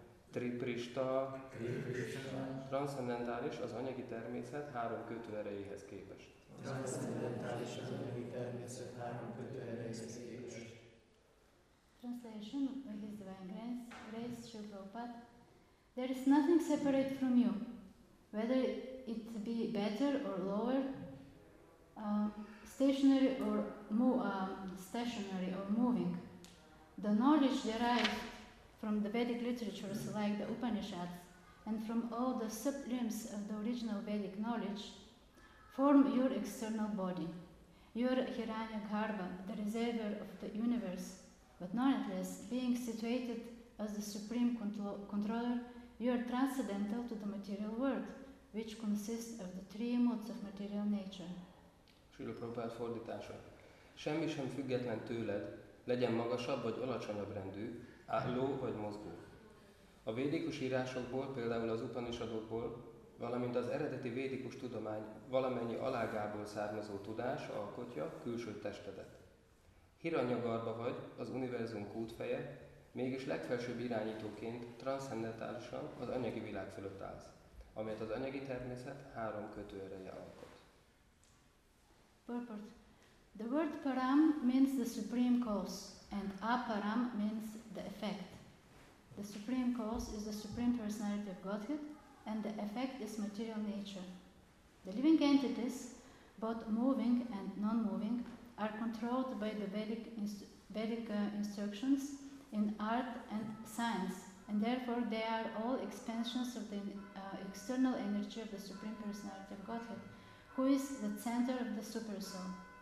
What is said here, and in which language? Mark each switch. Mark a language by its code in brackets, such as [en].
[hu] Triprista, transzcendentális az anyagi természet három kötőerejéhez képest. Transzcendentális az anyagi természet három kötőerejéhez képest. [en] Translation by His Divine Grace, Srila Prabhupada. There is nothing separate from you, whether it be better or lower, stationary or moving. The knowledge derived from the Vedic literatures like the Upanishads and from all the sublimes of the original Vedic knowledge form your external body. You are Hiranyagarbha, the reservoir of the universe. But nonetheless, being situated as the supreme controller, you are transcendental to the material world, which consists of the three modes of material nature. [hu] Srila Prabhupada fordítása. Semmi sem független tőled, legyen magasabb vagy alacsonyabb rendű, álló vagy mozgó. A védikus írásokból, például az Upanishadokból, valamint az eredeti védikus tudomány valamennyi alágából származó tudás alkotja külső testedet. Hiranyagarbha vagy az univerzum kútfeje, mégis legfelsőbb irányítóként transzcendentálisan az anyagi világ fölött állsz, amelyet az anyagi természet három kötőereje alkot. [en] Purport. The word param means the supreme cause, and aparam means the effect. The supreme cause is the supreme personality of Godhead, and the effect is material nature. The living entities, both moving and non-moving, are controlled by the Vedic instructions in art and science, and therefore they are all expansions of the external energy of the Supreme Personality of Godhead, who is the center of the Supersoul.